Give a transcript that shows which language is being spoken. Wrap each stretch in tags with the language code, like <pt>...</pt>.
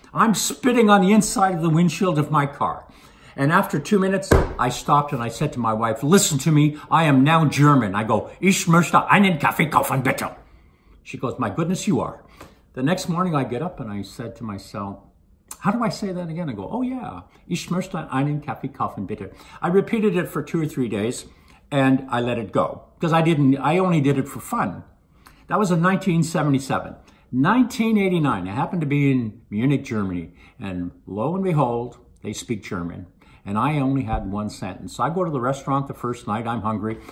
<en>I'm spitting on the inside of the windshield of my car. And after 2 minutes, I stopped and I said to my wife, listen to me, I am now German. I go,</en> <de>ich möchte einen Kaffee kaufen, bitte.</de> <en>She goes, my goodness, you are. The next morning, I get up and I said to myself, how do I say that again? I go, oh yeah,</en> <de>ich möchte einen Kaffee kaufen, bitte.</de> <en>I repeated it for 2 or 3 days and I let it go because I only did it for fun. That was in 1977. 1989, I happened to be in Munich, Germany, and lo and behold, they speak German. And I only had one sentence. I go to the restaurant the first night, I'm hungry.</en>